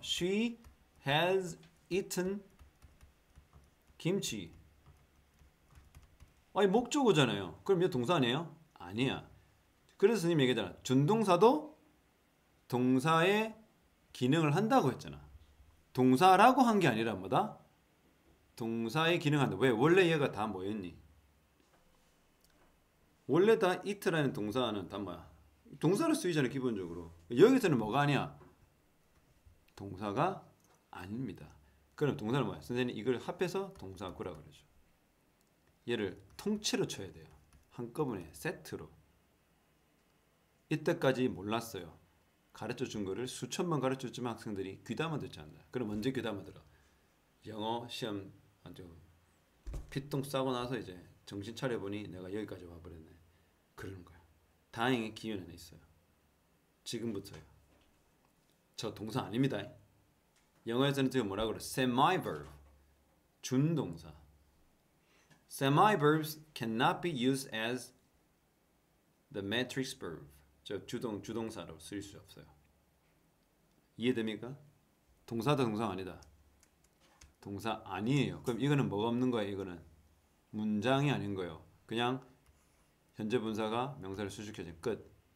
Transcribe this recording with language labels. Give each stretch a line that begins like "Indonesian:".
English: She has eaten 김치.
Korean: 아니, 목적어잖아요. 그럼 이거 동사 아니에요? 아니야. 그래서 선생님 얘기했잖아. 준동사도 동사의 기능을 한다고 했잖아. 동사라고 한게 아니란 말이다. 동사의 기능을 한다. 왜? 원래 얘가 다 뭐였니? 원래 다 it라는 동사는 다 뭐야? 동사로 쓰이잖아, 기본적으로. 여기서는 뭐가 아니야? 동사가 아닙니다. 그럼 동사는 뭐야? 선생님 이걸 합해서 동사구라고 그러죠. 얘를 통째로 쳐야 돼요. 한꺼번에 세트로. 이때까지 몰랐어요. 가르쳐 준 거를 수천 번 가르쳐 줬지만 학생들이 귀담아 듣지 않는다. 그럼 언제 귀담아 들어? 영어 시험 아주 피똥 싸고 나서 이제 정신 차려 보니 내가 여기까지 와 버렸네. 그러는 거야. 다행히 기회는 있어요. 지금부터요. 저 동사 아닙니다. 영어에서는 지금 뭐라 그래?
English: semi verb. 준동사. semi verbs cannot be used as the matrix verb.
Korean: 저 주동사로 쓰일 수 없어요. 이해됩니까? 동사도 동사 아니다. 동사 아니에요. 그럼 이거는 뭐가 없는 거예요? 이거는 문장이 아닌 거예요. 그냥 현재 분사가 명사를 수식해진 끝.